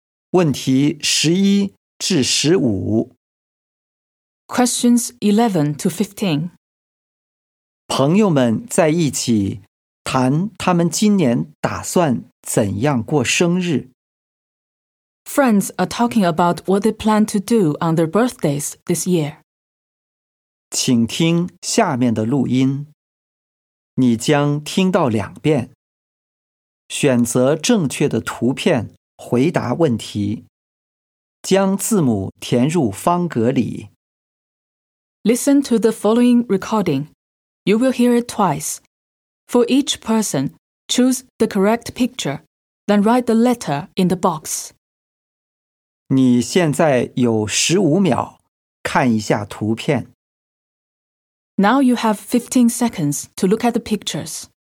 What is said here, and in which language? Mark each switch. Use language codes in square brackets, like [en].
[zh] 问题十一至十五。 [en] Questions 11 to 15。 [zh] 朋友们在一起谈他们今年打算怎样过生日。 [en] Friends are talking about what they plan to do on their birthdays this year. [zh] 请听下面的录音，你将听到两遍。选择正确的图片回答问题，将字母填入方格里。 [en] Listen to the following recording. You will hear it twice. For each person, choose the correct picture, then write the letter in the box. [zh] 你现在有15秒，看一下图片。 [en] Now you have 15 seconds to look at the pictures.